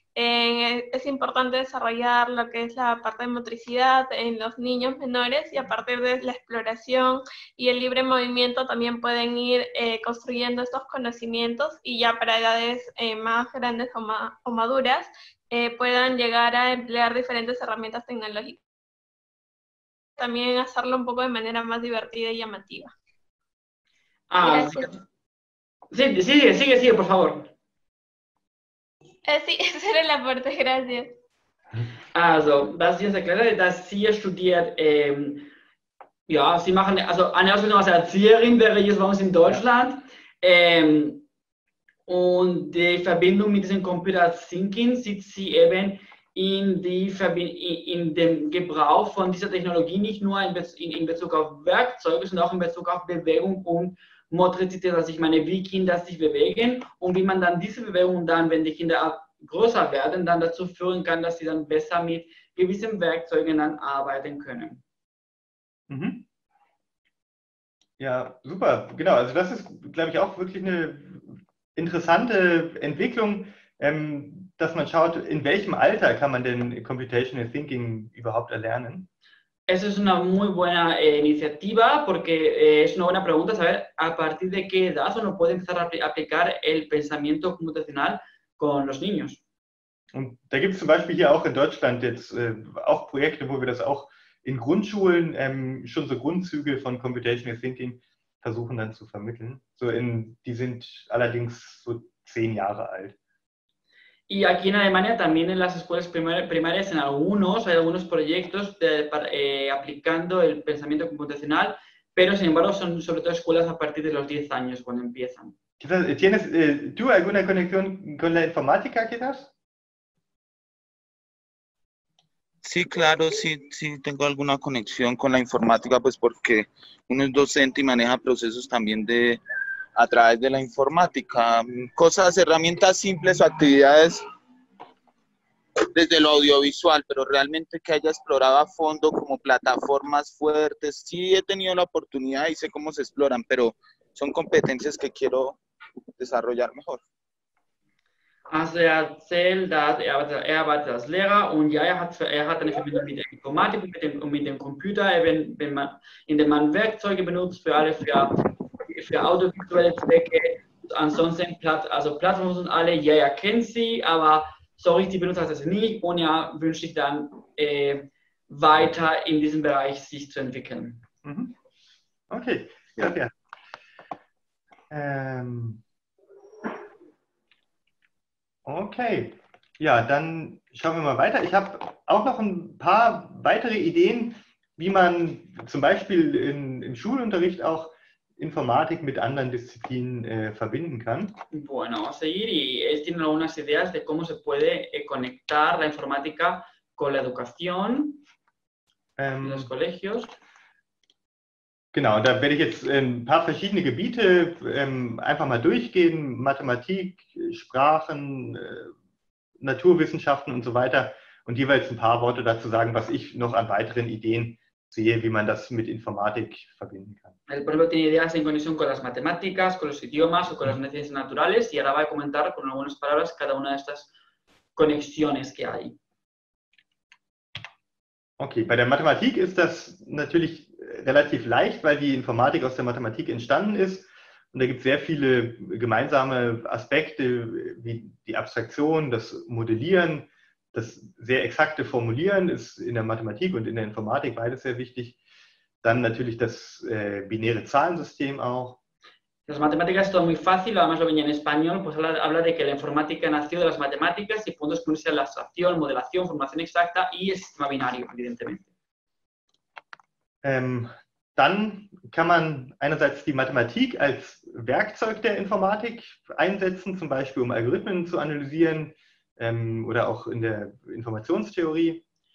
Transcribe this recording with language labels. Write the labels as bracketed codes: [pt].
[es] Es importante desarrollar lo que es la parte de motricidad en los niños menores y a partir de la exploración y el libre movimiento también pueden ir construyendo estos conocimientos y ya para edades más grandes o maduras puedan llegar a emplear diferentes herramientas tecnológicas. También hacerlo un poco de manera más divertida y llamativa. Ah, sí, sigue, por favor. Sí, esa era la parte, gracias. [de] Also, was sie uns erklärt hat, dass sie studiert, ja, sie machen also eine Ausbildung als Erzieherin, wäre jetzt bei uns in Deutschland. Und die Verbindung mit diesem Computer Thinking sieht sie eben in dem Gebrauch von dieser Technologie, nicht nur in Bezug auf Werkzeuge, sondern auch in Bezug auf Bewegung und Motrizität, dass ich meine, wie Kinder sich bewegen und wie man dann diese Bewegung dann, wenn die Kinder größer werden, dann dazu führen kann, dass sie dann besser mit gewissen Werkzeugen dann arbeiten können. Mhm. Ja, super, genau. Also das ist, glaube ich, auch wirklich eine interessante Entwicklung, dass man schaut, in welchem Alter kann man denn Computational Thinking überhaupt erlernen? [es] Eso es una muy buena iniciativa porque es una buena pregunta saber a partir de qué edad uno puede empezar a aplicar el pensamiento computacional con los niños. [de] Und da gibt es zum Beispiel hier auch in Deutschland jetzt auch Projekte, wo wir das auch in Grundschulen schon so Grundzüge von Computational Thinking versuchen dann zu vermitteln. So in, die sind allerdings so 10 Jahre alt. [es] Y aquí en Alemania también en las escuelas primarias en algunos hay algunos proyectos de, aplicando el pensamiento computacional, pero sin embargo son sobre todo escuelas a partir de los 10 años cuando empiezan. ¿Tienes tú alguna conexión con la informática quizás? Sí, claro, sí tengo alguna conexión con la informática, pues porque uno es docente y maneja procesos también de a través de la informática, cosas, herramientas simples o actividades desde lo audiovisual, pero realmente que haya explorado a fondo como plataformas fuertes, sí he tenido la oportunidad y sé cómo se exploran, pero son competencias que quiero desarrollar mejor. [de] Also er erzählt, dass er arbeitet als Lehrer und ja, er hat eine Verbindung mit der Informatik und mit dem Computer, wenn man Werkzeuge benutzt für alle, für audiovisuelle Zwecke, ansonsten Plattformen und alle, ja, er kennt sie, aber so richtig benutzt hat er sie nicht und er wünscht sich dann weiter in diesem Bereich sich zu entwickeln. Okay, danke. Okay, ja, dann schauen wir mal weiter. Ich habe auch noch ein paar weitere Ideen, wie man zum Beispiel im Schulunterricht auch Informatik mit anderen Disziplinen verbinden kann. [es] Bueno, seguir y él tiene algunas ideas de cómo se puede conectar la informática con la educación en los colegios. [de] Genau, da werde ich jetzt ein paar verschiedene Gebiete einfach mal durchgehen. Mathematik, Sprachen, Naturwissenschaften und so weiter. Und jeweils ein paar Worte dazu sagen, was ich noch an weiteren Ideen sehe, wie man das mit Informatik verbinden kann. [es] El profesor tiene ideas en conexión con las matemáticas, con los idiomas o con las ciencias naturales. Y ahora va a comentar con algunas palabras cada una de estas conexiones que hay. [de] Okay, bei der Mathematik ist das natürlich relativ leicht, weil die Informatik aus der Mathematik entstanden ist. Und da gibt es sehr viele gemeinsame Aspekte, wie die Abstraktion, das Modellieren, das sehr exakte Formulieren ist in der Mathematik und in der Informatik beides sehr wichtig. Dann natürlich das binäre Zahlensystem auch. [es] Las matemáticas son muy fácil, además lo venía en español, pues habla de que la informática nació de las matemáticas y puntos que unirse a la abstracción, modelación, formación exacta y el sistema binario, evidentemente. [de] Dann kann man einerseits die Mathematik als Werkzeug der Informatik einsetzen, zum Beispiel um Algorithmen zu analysieren oder auch in der Informationstheorie.